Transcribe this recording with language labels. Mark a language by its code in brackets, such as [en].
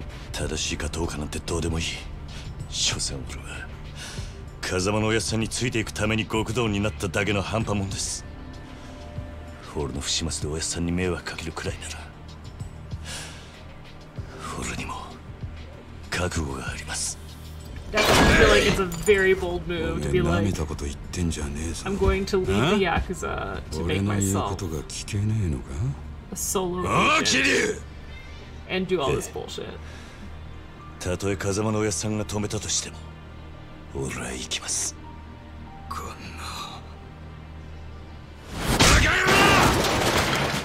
[ja] 正しいかどうかなんてどうでもいい。所詮俺は風間のおやっさんについていくために極道になっただけの半端もんです。俺の不始末でおやっさんに迷惑かけるくらいなら俺にも覚悟があります。 [en] That sounds like it's a very bold move to be like [ja] 俺舐めたこと言ってんじゃねえぞ。 [en] I'm going to leave the Yakuza to make myself [ja] 俺の言うことが聞けねえのか。 [en] A solo mission [ja] キリュウ [en] and do all this bullshit。 [ja] たとえ風間のおやっさんが止めたとしても俺は行きます。こんなバカ野